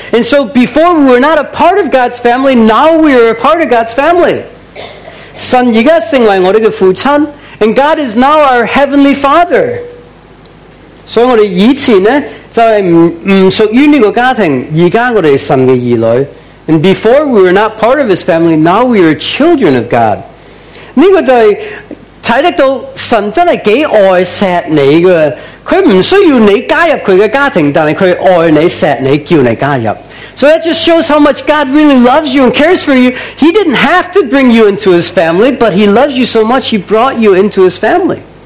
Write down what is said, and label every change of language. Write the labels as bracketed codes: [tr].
[en] And so before we were not a part of God's family, now we are a part of God's family. [zh] 神现在成为我们的父亲, [en] and God is now our heavenly Father. [zh] 所以我们以前就是不属于这个家庭，现在我们是神的儿女。 [en] And before we were not part of his family, now we are children of God. [zh] 这个就是看得到神真的挺爱锡你的。他不需要你加入他的家庭，但是他爱你、锡你、叫你加入。 [en] So that just shows how much God really loves you and cares for you. He didn't have to bring you into his family, but he loves you so much he brought you into his family.